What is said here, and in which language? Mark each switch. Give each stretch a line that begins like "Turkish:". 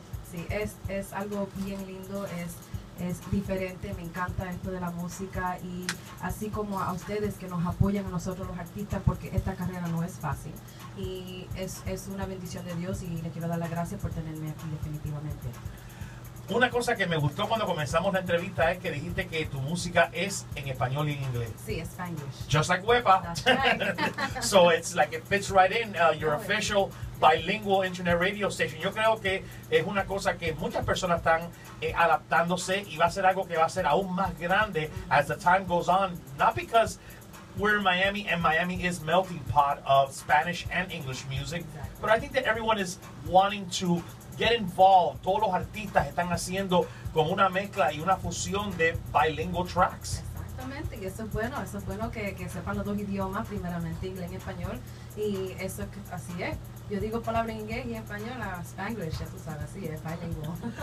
Spanish: Sí, es algo bien lindo, es diferente, me encanta esto de la música, y así como a ustedes que nos apoyan a nosotros los artistas, porque esta carrera no es fácil, y es una bendición de Dios, y le quiero dar las gracias por tenerme aquí definitivamente. Una cosa que me gustó cuando comenzamos la entrevista es que dijiste que tu música es en español y en inglés.
English: Sí, Spanish. Just like huepa. That's right. So it's like it fits right in. Your official bilingual internet radio station.
Spanish: Yo creo que es una cosa que muchas personas están adaptándose y va a ser algo que va a ser aún más grande as the time goes on.
English: Not because we're in Miami and Miami is melting pot of Spanish and English music. Exactly. But I think that everyone is wanting to get involved.
Spanish: Todos los artistas están haciendo como una mezcla y una fusión de bilingual tracks. Exactamente, y eso es bueno que sepan los dos idiomas, primeramente inglés y español, y eso es que así es. Yo digo palabra en inglés y en español, Spanglish, ya tú sabes, así es, bilingual.